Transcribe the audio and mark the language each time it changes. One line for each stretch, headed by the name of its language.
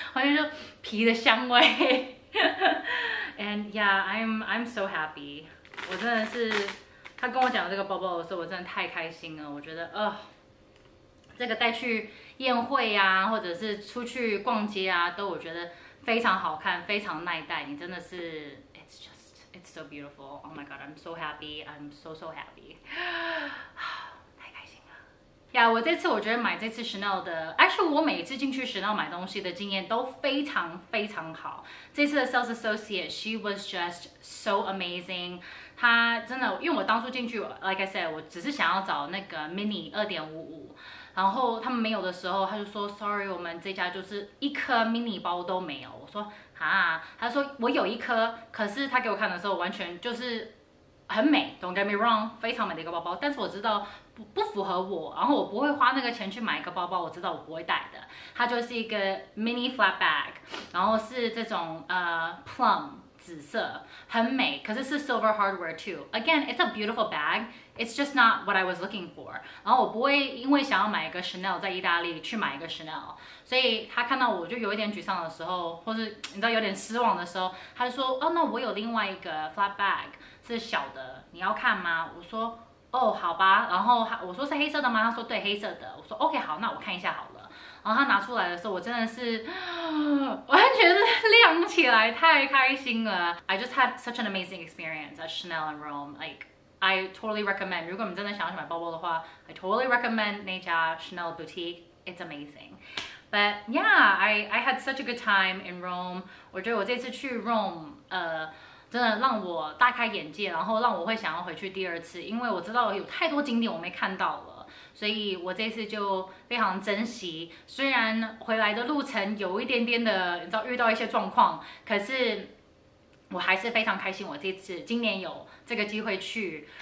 Chinese: 好像就皮的香味。
English: And yeah， I'm so happy。
Chinese: 我真的是他跟我讲这个包包的时候，我真的太开心了。我觉得这个带去宴会啊，或者是出去逛街啊，都我觉得非常好看，非常耐戴。你真的是
English: it's so beautiful. Oh my god, I'm so happy. I'm so happy.
Chinese: 太开心了。 Yeah， 我这次我觉得买这次 Chanel 的 ，actually 我每一次进去 Chanel 买东西的经验都非常非常好。这次的
English: sales associate she was just so amazing。
Chinese: 她真的，因为我当初进去 ，
English: like I said，
Chinese: 我只是想要找那个 mini 2.55。然后他们没有的时候，他就说
English: sorry，
Chinese: 我们这家就是一颗 mini 包都没有。我说啊，他说我有一颗，可是他给我看的时候完全就是很美，
English: don't get me wrong，
Chinese: 非常美的一个包包，但是我知道 不符合我，然后我不会花那个钱去买一个包包我知道我不会带的。它就是一个 mini flat bag， 然后是这种plum 紫色，很美，可是是
English: silver hardware too。 Again， it's a beautiful bag，It's just not what I was looking for。
Chinese: 然后我不会因为想要买一个 Chanel 在意大利去买一个 Chanel， 所以他看到我就有一点沮丧的时候，或是你知道有点失望的时候，他就说哦，那我有另外一个 flat bag 是小的，你要看吗？我说哦，好吧。然后我说是黑色的吗？他说对，黑色的。我说 OK， 好，那我看一下好了。然后他拿出来的时候，我真的是完全亮起来，太开心了。
English: I just had such an amazing experience at Chanel in Rome. LikeI totally recommend.
Chinese: 如果你们真的想要买包包的话 ，
English: I totally recommend
Chinese: 那家 Chanel boutique.
English: It's amazing. But yeah, I had such a good time in Rome.
Chinese: 我觉得我这次去
English: Rome，
Chinese: 真的让我大开眼界，然后让我会想要回去第二次，因为我知道有太多景点我没看到了，所以我这次就非常珍惜。虽然回来的路程有一点点的，你知道遇到一些状况，可是我还是非常开心，我这次今年有这个机会去。